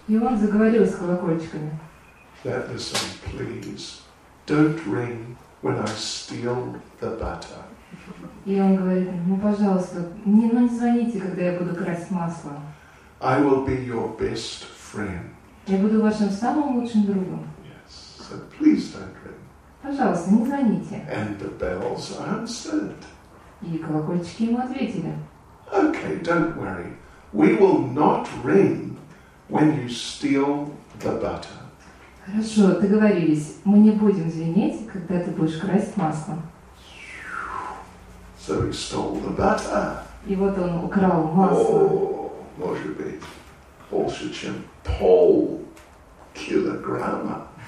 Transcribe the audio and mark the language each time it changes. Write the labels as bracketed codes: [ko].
[ru] И он заговорил с колокольчиками. [en] That the song, please, don't ring when I steal the butter. [ru] И он говорит, ну пожалуйста, не звоните, когда я буду красть масло. [en] I will be your best friend. [ru] Я буду вашим самым лучшим другом. [en] Yes, so please don't ring. [ru] Пожалуйста, не звоните. [en] And the bells answered. [ru] И колокольчики ему ответили. [en] Okay, don't worry. We will not ring when you steal the butter. [ru] Хорошо, договорились. Мы не будем звенеть, когда ты будешь красть масло. [en] So he stole the butter. [ru] И вот он украл масло. О, может быть, больше, чем полкилограмма.